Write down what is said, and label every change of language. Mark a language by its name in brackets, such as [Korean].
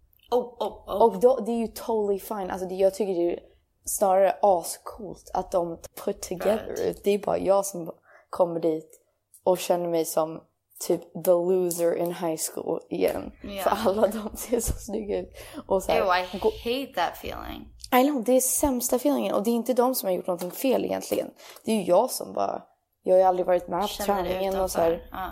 [Swedish] Oh. Och då, det är ju [English] totally fine. [Swedish] Alltså, jag tycker det är snarare ascoolt att de [English] put together. Right. [Swedish] Det är bara jag som kommer dit och känner mig som typ [English] the loser in high school [Swedish] igen. [English] Yeah. [Swedish] För alla de ser så snygga ut. Och så här, [English] ew, I hate that feeling. I know, [Swedish] det är sämsta feelingen. Och det är inte de som har gjort någonting fel egentligen. Det är ju jag som bara, jag har ju aldrig varit med på träningen och så här.